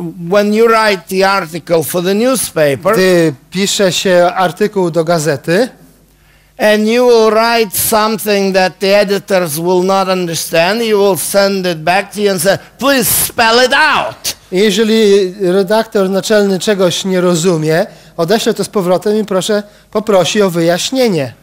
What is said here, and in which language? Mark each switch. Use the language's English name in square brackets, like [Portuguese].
[English] When you write the article for the newspaper. [Polish] Gdy pisze się artykuł do gazety. [English] And you will write something that the editors will not understand. You will send it back to you and say, please spell it out. [Polish] Jeżeli redaktor naczelny czegoś nie rozumie, odeślę to z powrotem i poprosi o wyjaśnienie.